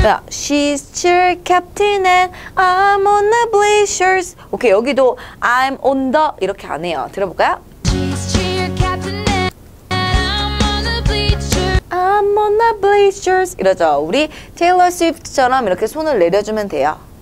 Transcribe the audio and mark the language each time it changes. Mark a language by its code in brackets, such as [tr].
[en] She's cheer captain and I'm on the bleachers. [ko] 오케이, 여기도 [en] I'm on the [ko] 이렇게 안 해요. 들어볼까요? [en] She's cheer captain and I'm on the bleachers. I'm on the bleachers. [ko] 이러죠. 우리 Taylor Swift처럼 이렇게 손을 내려주면 돼요.